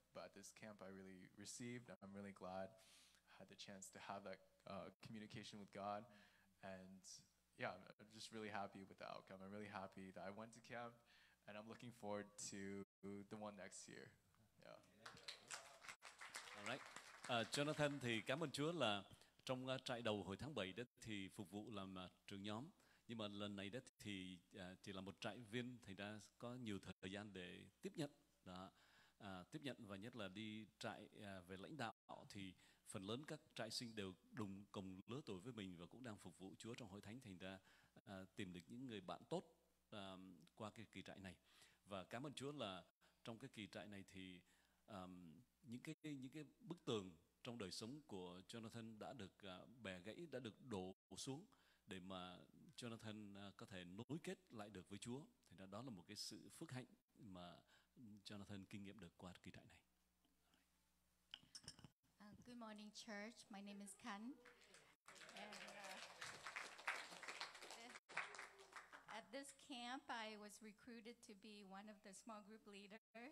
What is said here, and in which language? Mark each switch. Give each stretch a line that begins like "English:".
English: But at this camp, I really received. I'm really glad I had the chance to have that communication with God. And yeah, I'm just really happy with the outcome. I'm really happy that I went to camp, and I'm looking forward to the one next year. Yeah. All right.
Vietnamese: Jonathan thì cảm ơn Chúa là trong trại đầu hồi tháng 7 đó thì phục vụ làm trưởng nhóm. Nhưng mà lần này đó thì chỉ là một trại viên, thành ra có nhiều thời gian để tiếp nhận. Đó. Tiếp nhận và nhất là đi trại về lãnh đạo thì phần lớn các trại sinh đều đồng cùng lứa tuổi với mình và cũng đang phục vụ Chúa trong hội thánh, thành ra tìm được những người bạn tốt qua cái kỳ trại này. Và cảm ơn Chúa là trong cái kỳ trại này thì những cái bức tường trong đời sống của Jonathan đã được bẻ gãy, đã được đổ xuống để mà Jonathan có thể nối kết lại được với Chúa, thành ra đó là một cái sự phước hạnh mà Jonathan kinh nghiệm được qua kỳ trại này.
English: Good morning, church. My name is Ken. And, at this camp, I was recruited to be one of the small group leaders.